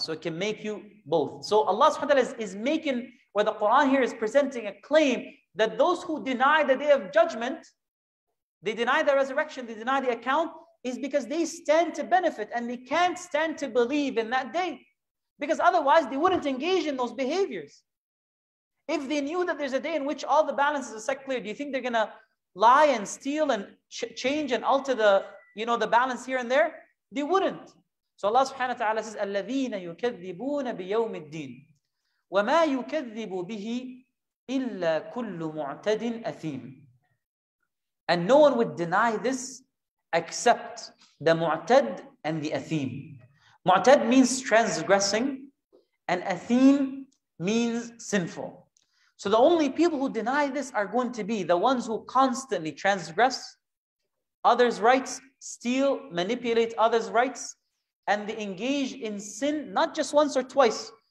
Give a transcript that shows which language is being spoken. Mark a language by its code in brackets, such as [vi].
[en] So it can make you both. So Allah subhanahu wa ta'ala is making, where the Quran here is presenting a claim that those who deny the day of judgment, they deny the resurrection, they deny the account, is because they stand to benefit and they can't stand to believe in that day. Because otherwise they wouldn't engage in those behaviors. If they knew that there's a day in which all the balances are set clear, do you think they're going to lie and steal and change and alter the balance here and there? They wouldn't. So Allah subhanahu wa ta'ala says, [ar] الَّذِينَ يُكَذِّبُونَ بِيَوْمِ الدِّينِ وَمَا يُكَذِّبُ بِهِ إِلَّا كُلُّ مُعْتَدٍ أَثِيمٍ. [en] And no one would deny this except the mu'tad and the athim. Mu'tad means transgressing, and athim means sinful. So the only people who deny this are going to be the ones who constantly transgress others' rights, steal, manipulate others' rights, and they engage in sin, not just once or twice.